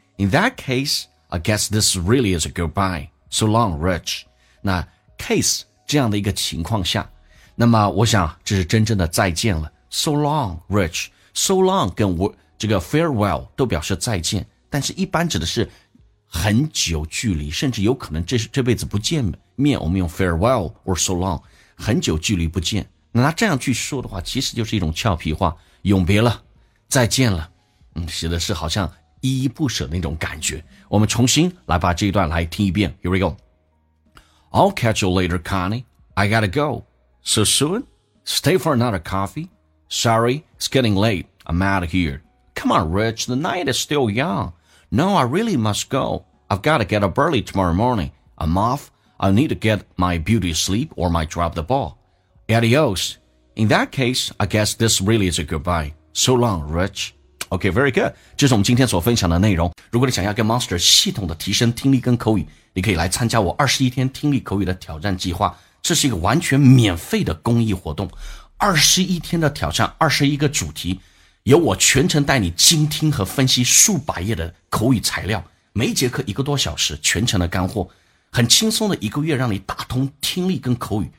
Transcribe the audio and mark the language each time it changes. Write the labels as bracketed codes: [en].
[en] In that case, I guess this really is a goodbye. So long, Rich. [zh] 那 case 这样的一个情况下，那么我想这是真正的再见了。 [en] So long, Rich. So long [zh] 跟我这个 farewell 都表示再见，但是一般指的是很久距离，甚至有可能这辈子不见面，我们用 farewell or so long. 很久距离不见，那这样去说的话其实就是一种俏皮话，永别了再见了，写的是好像依依不舍的那种感觉。我们重新来把这一段来听一遍。 [en] Here we go. I'll catch you later, Connie. I gotta go. So soon? Stay for another coffee? Sorry, it's getting late. I'm out of here. Come on, Rich. The night is still young. No, I really must go. I've gotta get up early tomorrow morning. I'm off. I need to get my beauty asleep or might drop the ball. Adios. In that case, I guess this really is a goodbye. So long, Rich. OK, very good. [zh] 这是我们今天所分享的内容。如果你想要跟 Monster 系统的提升听力跟口语，你可以来参加我21天听力口语的挑战计划。这是一个完全免费的公益活动。21天的挑战，21个主题，由我全程带你精听和分析数百页的口语材料，每一节课一个多小时，全程的干货，很轻松的一个月让你打通听力跟口语。